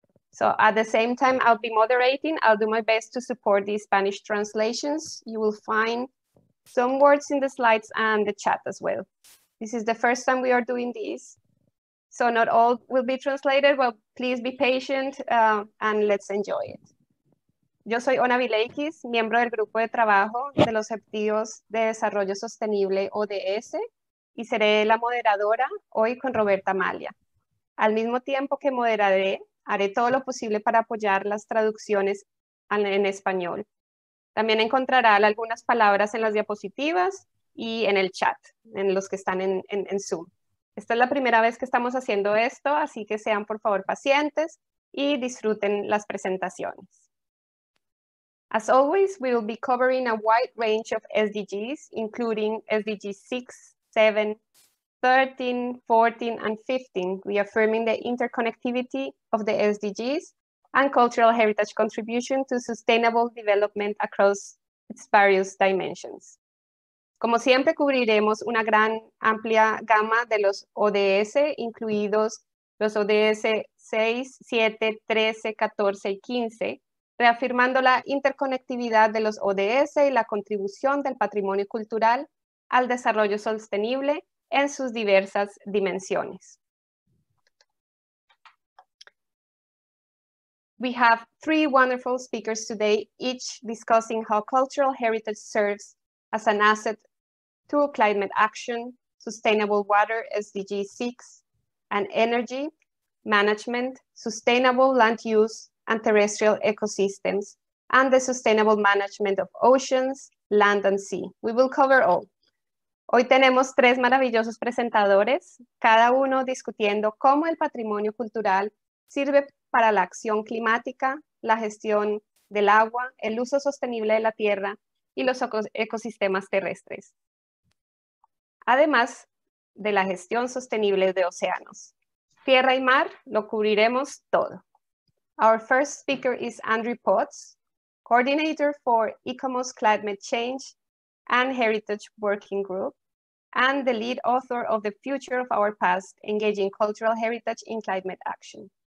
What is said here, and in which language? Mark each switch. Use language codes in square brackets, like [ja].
[en] So at the same time I'll be moderating, I'll do my best to support the Spanish translations. You will find some words in the slides and the chat as well. This is the first time we are doing this, so not all will be translated. Well, please be patient and let's enjoy it. [es] Yo soy Ona Vilakis, miembro del Grupo de Trabajo de los Objetivos de Desarrollo Sostenible, ODS, y seré la moderadora hoy con Roberta Malia. Al mismo tiempo que moderaré, haré todo lo posible para apoyar las traducciones en español. También encontrarán algunas palabras en las diapositivas y en el chat, en los que están en Zoom. Esta es la primera vez que estamos haciendo esto, así que sean por favor pacientes y disfruten las presentaciones. [en] As always, we will be covering a wide range of SDGs, including SDG 6, 7, 13, 14, and 15, reaffirming the interconnectivity of the SDGs and cultural heritage contribution to sustainable development across its various dimensions. [es] Como siempre, cubriremos una gran amplia gama de los ODS, incluidos los ODS 6, 7, 13, 14 y 15, reafirmando la interconectividad de los ODS y la contribución del patrimonio cultural al desarrollo sostenible en sus diversas dimensiones. [en] We have three wonderful speakers today, each discussing how cultural heritage serves as an asset to climate action, sustainable water, SDG 6, and energy management, sustainable land use and terrestrial ecosystems, and the sustainable management of oceans, land and sea. We will cover all. [es] Hoy tenemos tres maravillosos presentadores, cada uno discutiendo cómo el patrimonio cultural sirve para la acción climática, la gestión del agua, el uso sostenible de la tierra y los ecosistemas terrestres, además de la gestión sostenible de océanos. Tierra y mar lo cubriremos todo. [en] Our first speaker is Andrew Potts, coordinator for ICOMOS Climate Change and Heritage Working Group, and the lead author of The Future of Our Past, Engaging Cultural Heritage in Climate Action.